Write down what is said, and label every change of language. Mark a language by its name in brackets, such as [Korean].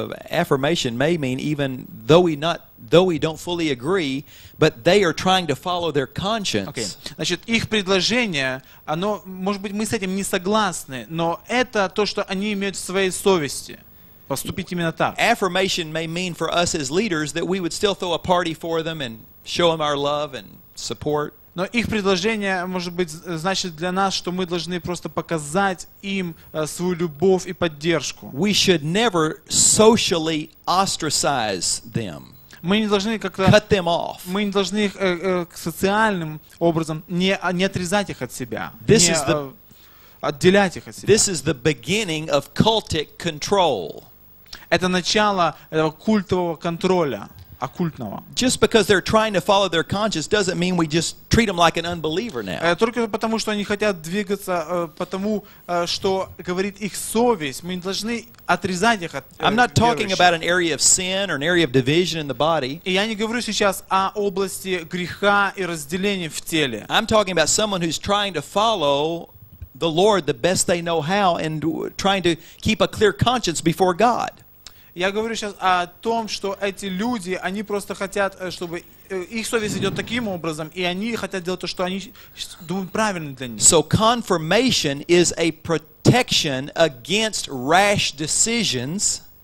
[English] affirmation may mean even though we don't fully agree, but they are trying to follow their conscience. Okay. [Russian] Значит, их предложение, оно, может быть, мы с этим не согласны, но это то, что они имеют в своей совести. Поступить именно так. [English] Affirmation may mean for us as leaders that we would still throw a party for them and show them our love and support. [Russian] Но их предложение, может быть, значит для нас, что мы должны просто показать им свою любовь и поддержку. [English] We should never socially ostracize them. [Russian] Мы не должны как-то [English] cut them off. [Russian] Мы не должны их социальным образом не отрезать их от себя. [English] This [Russian] не, [English] is the [Russian] отделять их от себя. [English] This is the beginning of cultic control. [Russian] Это начало этого культового контроля. оккультного. [English] Just because they're trying to follow their conscience doesn't mean we just treat them like an unbeliever now. [Russian] Только потому, что они хотят двигаться по тому, что говорит их совесть, мы должны отрезать их от верующих. [English] I'm not talking about an area of sin or an area of division in the body. [Russian] И я не говорю сейчас о области греха и разделения в теле. [English] I'm talking about someone who's trying to follow the Lord the best they know how and trying to keep a clear conscience before God. [Russian] Я говорю сейчас о том, что эти люди, они просто хотят, чтобы их совесть идет таким образом, и они хотят делать то, что они думают правильно для них. [English] So confirmation is a protection against rash decisions.